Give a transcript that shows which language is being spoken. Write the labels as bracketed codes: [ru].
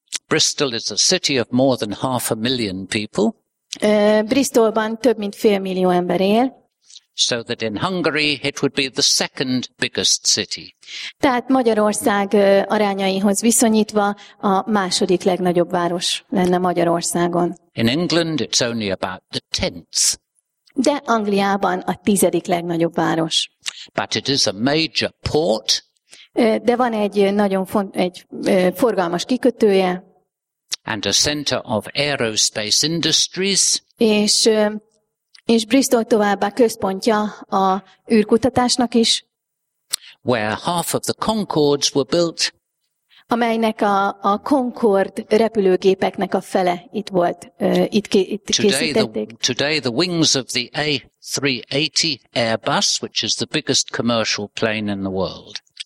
[en] Bristol is a city of more than half a million people. [hu] Bristolban több mint fél millió ember él. [en] So that in Hungary it would be the second biggest city. [hu] Tehát Magyarország arányaihoz viszonyítva a második legnagyobb város lenne Magyarországon. [en] In England it's only about the tenth. [hu] De Angliában a tizedik legnagyobb város. [en] But it is a major port. [hu] De van egy nagyon forgalmas kikötője. [en] And a center of aerospace industries. [hu] És Bristol továbbá központja a űrkutatásnak is. [en] Where half of the Concords were built. [hu] Amelynek a Concord repülőgépeknek a fele itt volt, itt készítették. [en] Today the wings of the A380 Airbus, which is the biggest commercial plane in the world.